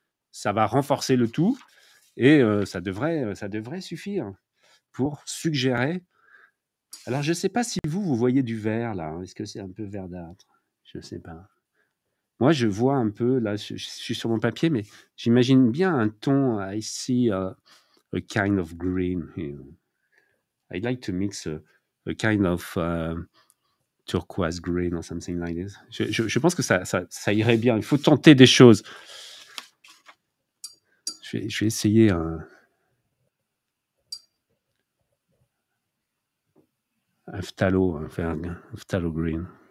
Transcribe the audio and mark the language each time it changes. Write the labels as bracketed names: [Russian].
[French] Ça va renforcer le tout et ça devrait suffire pour suggérer. Alors, je ne sais pas si vous voyez du vert là. Est-ce que c'est un peu verdâtre? Je ne sais pas. Moi, je vois un peu, là, je suis sur mon papier, mais j'imagine bien un ton, [English] I see a kind of green here. I'd like to mix a kind of turquoise green or something like this. [French] Je pense que ça irait bien. Il faut tenter des choses. Je vais essayer un... [English] Phthalo green.